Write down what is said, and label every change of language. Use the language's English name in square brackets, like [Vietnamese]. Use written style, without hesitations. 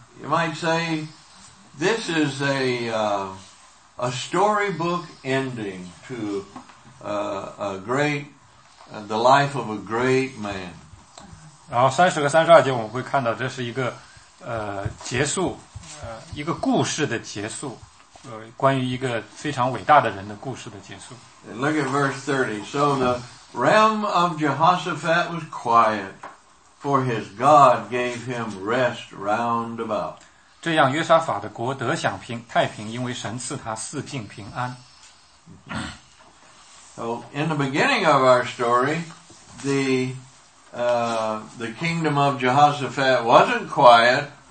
[English] you might say, this is a storybook ending to the life of a great man. [Chinese] 然后30和32节我们会看到这是一个结束，一个故事的结束，关于一个非常伟大的人的故事的结束。 [English] And look at verse 30. So the realm of Jehoshaphat was quiet, for his God gave him rest round about. [Chinese] 这样约沙法的国得享平太平，因为神赐他四境平安。 [English] So in the beginning of our story, the kingdom of Jehoshaphat wasn't quiet.